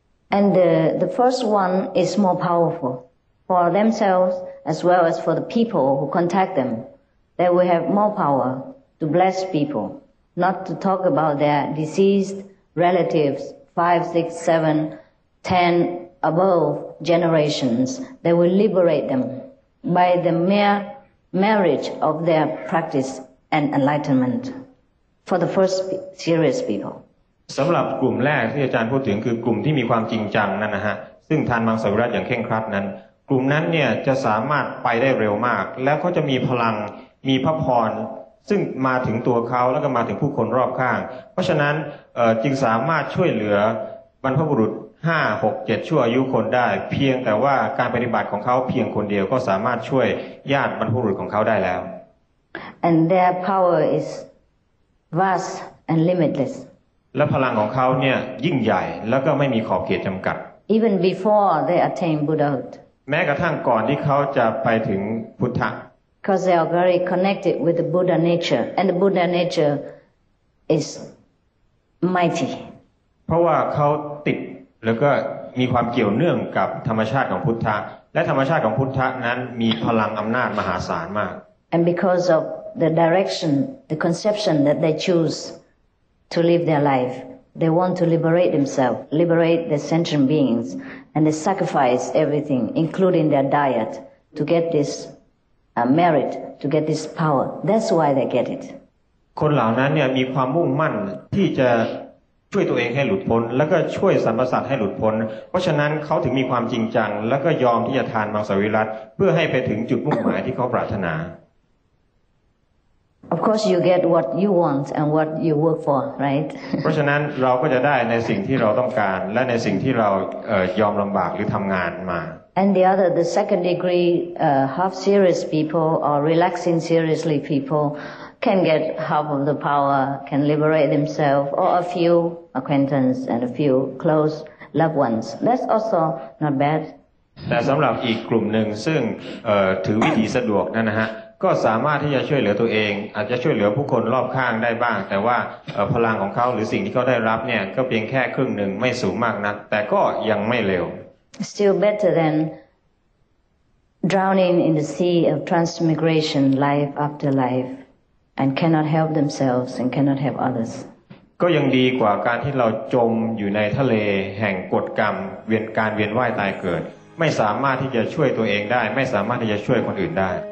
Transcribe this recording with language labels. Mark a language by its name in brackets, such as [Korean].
[English] And the first one is more powerful for themselves as well as for the people who contact them. They will have more power to bless people, not to talk about their deceased relatives 5, 6, 7, 10 above generations. They will liberate them by the mereMarriage of their practice and enlightenment for the first serious people. [Thai] สำหรับกลุ่มแรกที่อาจารย์พูดถึงคือกลุ่มที่มีความจริงจังนั่นนะฮะซึ่งทานมังสวิรัติอย่างเคร่งครัดนั้นกลุ่มนั้นเนี่ยจะสามารถไปได้เร็วมากแล้วเขาจะมีพลังมีพระพรซึ่งมาถึงตัวเขาแล้วก็มาถึงผู้คนรอบข้างเพราะฉะนั้นจึงสามารถช่วยเหลือบรรพบุรุษ5, 6, 7ชั่วอายุคนได้เพียงแต่ว่าการปฏิบัติของเขาเพียงคนเดียวก็สามารถช่วยญาติบรรพบุรุษของเขาได้แล้ว [English] And their power is vast and limitless [Thai] และพลังของเขาเนี่ยยิ่งใหญ่แล้วก็ไม่มีขอบเขตจำกัด [English] Even before they attain Buddhahood [Thai] แม้กระทั่งก่อนที่เขาจะไปถึงพุทธะ [English] Because they are very connected with the Buddha nature and the Buddha nature is mighty [Thai] เพราะว่าเขาติดแล้วก็มีความเกี่ยวเนื่องกับธรรมชาติของพุทธะและธรรมชาติของพุทธะนั้นมีพลังอำนาจมหาศาลมาก [English] And because of the direction the conception that they choose to live their life they want to liberate themselves liberate the sentient beings and they sacrifice everything including their diet to get this merit to get this power that's why they get it [Thai] คนเหล่านั้นเนี่ยมีความมุ่งมั่นที่จะช่วยตัวเองให้หลุดพ้นแล้วก็ช่วยสรรพสัตว์ให้หลุดพ้นเพราะฉะนั้นเขาถึงมีความจริงจังแล้วก็ยอมที่จะทานมังสวิรัติเพื่อให้ไปถึงจุดมุ่งหมายที่เขาปรารถนา [English] Of course you get what you want and what you work for right [Thai] เพราะฉะนั้นเราก็จะได้ในสิ่งที่เราต้องการและในสิ่งที่เรายอมลำบากหรือทำงานมา [English] And the other, the second degree, half serious people or relaxing seriously people can get half of the power, can liberate themselves, or a few acquaintances and a few close loved ones. That's also not bad. [Thai] แต่สำหรับอีกกลุ่มหนึ่งซึ่งถือวิธีสะดวกนั่นนะฮะก็สามารถที่จะช่วยเหลือตัวเองอาจจะช่วยเหลือผู้คนรอบข้างได้บ้างแต่ว่าพลังของเขาหรือสิ่งที่เขาได้รับเนี่ยก็เพียงแค่ครึ่งหนึ่งไม่สูงมากนักแต่ก็ยังไม่เลว [English] Still better than drowning in the sea of transmigration life after life and cannot help themselves and cannot help others [Thai] ก็ยังดีกว่าการที่เราจมอยู่ในทะเลแห่งกฎกรรมเวียนการเวียนว่ายตายเกิดไม่สามารถที่จะช่วยตัวเองได้ไม่สามารถที่จะช่วยคนอื่นได้